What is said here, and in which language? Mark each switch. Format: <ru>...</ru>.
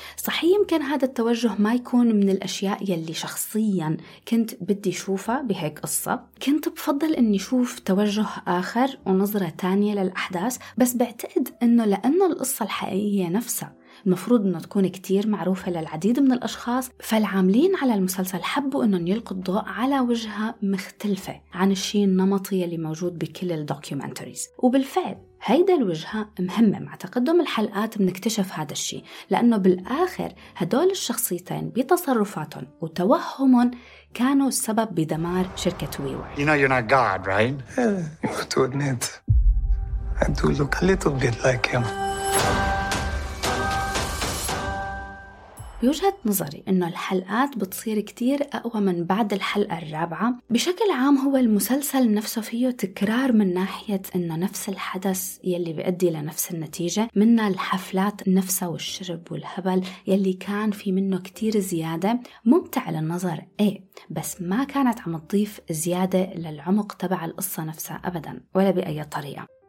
<ar>صحيح يمكن هذا التوجه ما يكون من الأشياء يلي شخصياً كنت بدي شوفها بهيك قصة، كنت بفضل أني شوف توجه آخر ونظرة تانية للأحداث، بس بعتقد أنه لأنه القصة الحقيقية نفسها المفروض أنه تكون كتير معروفة للعديد من الأشخاص، فالعاملين على المسلسل حبوا أنهم يلقوا الضوء على وجهة مختلفة عن الشيء النمطي اللي موجود بكل الدوكيومنتريز. وبالفعل هيدا الوجهة مهمة، مع تقدم الحلقات بنكتشف هذا الشيء، لأنه بالآخر هدول الشخصيتين بتصرفاتهم وتوهمهم كانوا السبب بدمار شركة WeWork.</ar> <en>You know you're not God, right? Yeah, to admit I do look a little bit like him.</en> <ar>بوجهة نظري إنه الحلقات بتصير كتير أقوى من بعد الحلقة الرابعة. بشكل عام هو المسلسل نفسه فيه تكرار من ناحية إنه نفس الحدث يلي بيؤدي لنفس النتيجة، من الحفلات نفسها والشرب والهبل يلي كان في منه كتير زيادة، ممتع للنظر إيه، بس ما كانت عم تضيف زيادة للعمق تبع القصة نفسها أبداً ولا بأي طريقة.</ar>